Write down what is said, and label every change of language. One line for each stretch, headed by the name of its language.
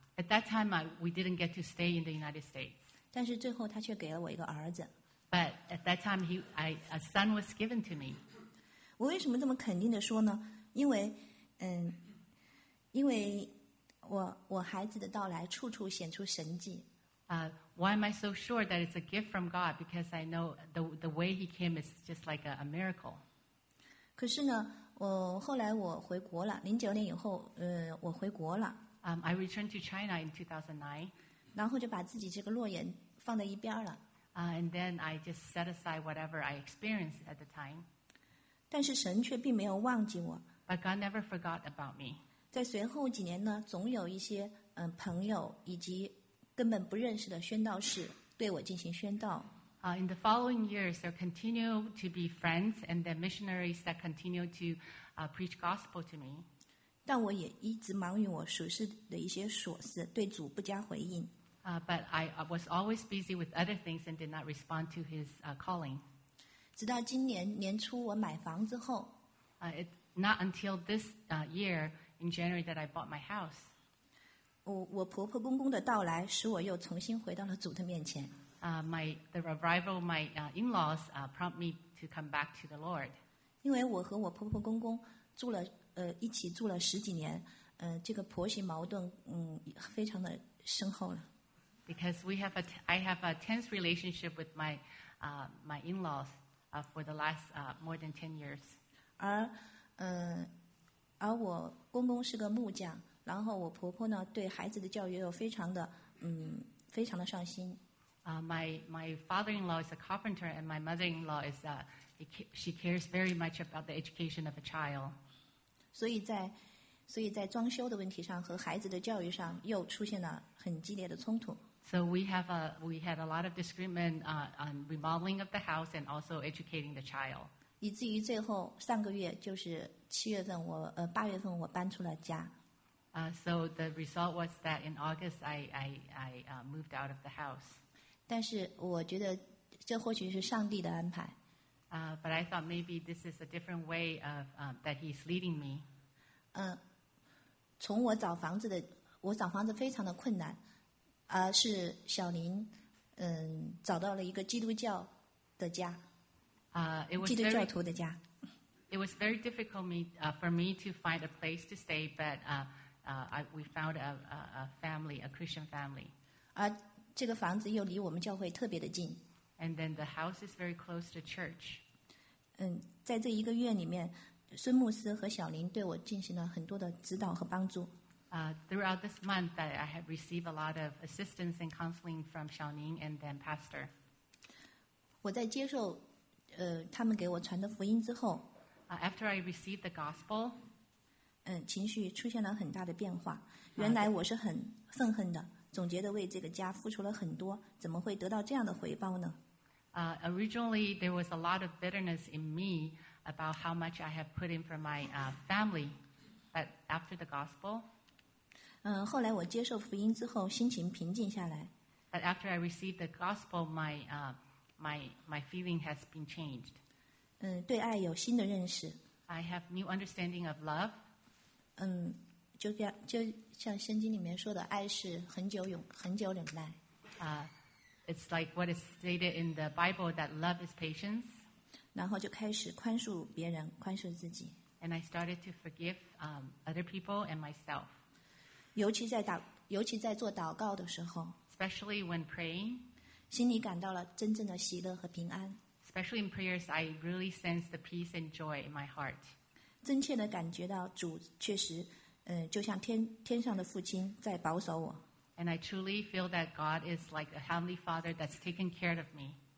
English: At that time, we didn't get to stay in the United States.
Chinese: 但是最后，他却给了我一个儿子。
English: But at that time, a son was given to me.
Chinese: 我为什么这么肯定的说呢？因为，因为我孩子的到来处处显出神迹。
English: Why am I so sure that it's a gift from God? Because I know the way he came is just like a miracle.
Chinese: 可是呢？后来我回国了，2009年以后，我回国了。
English: I returned to China in 2009.
Chinese: 然后就把自己这个诺言放在一边了。
English: And then I just set aside whatever I experienced at the time.
Chinese: 但是神却并没有忘记我。
English: But God never forgot about me.
Chinese: 在随后几年呢，总有一些朋友以及根本不认识的宣道士对我进行宣道。
English: In the following years, there continue to be friends and the missionaries that continue to preach gospel to me.
Chinese: 但我也一直忙于我属事的一些琐事，对主不加回应。
English: But I was always busy with other things and did not respond to his calling.
Chinese: 直到今年年初我买房之后。
English: Not until this year in January that I bought my house.
Chinese: 我婆婆公公的到来使我又重新回到了主的面前。
English: The arrival of my in-laws prompt me to come back to the Lord.
Chinese: 因为我和我婆婆公公住了一起住了十几年，这个婆媳矛盾非常的深厚了。
English: Because we have I have a tense relationship with my in-laws for the last more than 10 years.
Chinese: 而我公公是个木匠，然后我婆婆呢对孩子的教育又非常的非常的上心。
English: My father-in-law is a carpenter and my mother-in-law is she cares very much about the education of a child.
Chinese: 所以在装修的问题上和孩子的教育上又出现了很激烈的冲突。
English: So we had a lot of disagreement on remodeling of the house and also educating the child.
Chinese: 以至于最后上个月就是七月份我八月份我搬出了家。
English: So the result was that in August I moved out of the house.
Chinese: 但是我觉得这或许是上帝的安排。
English: But I thought maybe this is a different way of that he's leading me.
Chinese: 从我找房子的我找房子非常的困难。是小林，找到了一个基督教的家，基督教徒的家。
English: It was very difficult for me to find a place to stay, but we found a family, a Christian family.
Chinese: 这个房子又离我们教会特别的近。
English: And then the house is very close to church.
Chinese: 在这一个月里面，孙牧师和小林对我进行了很多的指导和帮助。
English: Throughout this month, I have received a lot of assistance and counseling from Xiaoning and then Pastor.
Chinese: 我在接受他们给我传的福音之后
English: after I received the gospel,
Chinese: 情绪出现了很大的变化。原来我是很愤恨的，总觉得为这个家付出了很多，怎么会得到这样的回报呢？
English: Originally, there was a lot of bitterness in me about how much I have put in for my family, but after the gospel.
Chinese: 后来我接受福音之后心情平静下来。
English: But after I received the gospel, my feeling has been changed.
Chinese: 对爱有新的认识。
English: I have new understanding of love.
Chinese: 就像圣经里面说的爱是很久忍耐。
English: It's like what is stated in the Bible that love is patience.
Chinese: 然后就开始宽恕别人宽恕自己。
English: And I started to forgive other people and myself.
Chinese: 尤其在做祷告的时候
English: especially when praying,
Chinese: 心里感到了真正的喜乐和平安
English: especially in prayers, I really sense the peace and joy in my heart.
Chinese: 真切地感觉到主确实就像天上的父亲在保守我
English: and I truly feel that God is like a heavenly father that's taken care of me.